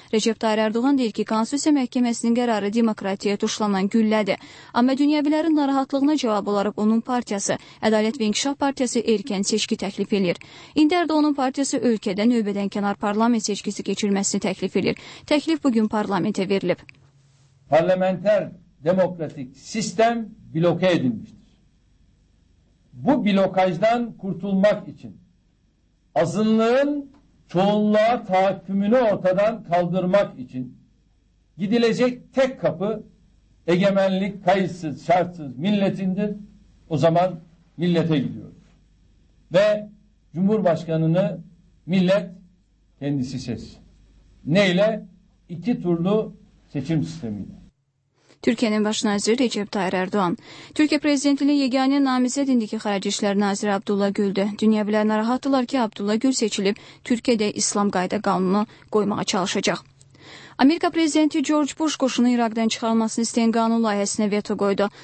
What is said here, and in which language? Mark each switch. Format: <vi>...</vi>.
<az>Recep Tayyip Erdoğan deyir ki, Konstitusiya Məhkəməsinin qərarı demokratiyaya tuşlanan güllədir. Amma dünyəvilərin narahatlığına cavab olaraq onun partiyası, Ədalət və İnkişaf Partiyası erkən seçki təklif edir. İndi Erdoğan'ın partiyası ölkədə növbədən kənar parlament seçkisi keçirməsini təklif edir. Təklif bugün parlamentə verilib.</az> <tr>Parlamenter demokratik sistem bloke edilmiştir. Bu blokajdan kurtulmak için azınlığın çoğunluğa tahakkümünü ortadan kaldırmak için gidilecek tek kapı egemenlik kayıtsız şartsız milletindir. O zaman millete gidiyoruz. Ve Cumhurbaşkanını millet kendisi seçsin. Neyle? İki turlu seçim sistemiyle.</tr> <az>Türkiyənin baş naziri Recep Tayyip Erdoğan. Türkiyə prezidentliyinin yeganə namizədi indiki xarici işlər naziri Abdullah Güldür. Dünya bilər narahatdırlar ki, Abdullah Gül seçilib, Türkiyədə İslam qayda qanunu qoymağa çalışacaq. Amerika prezidenti George Bush qoşunu İraqdan çıxarılmasını istəyən qanun layihəsinə veto qoydu.</az>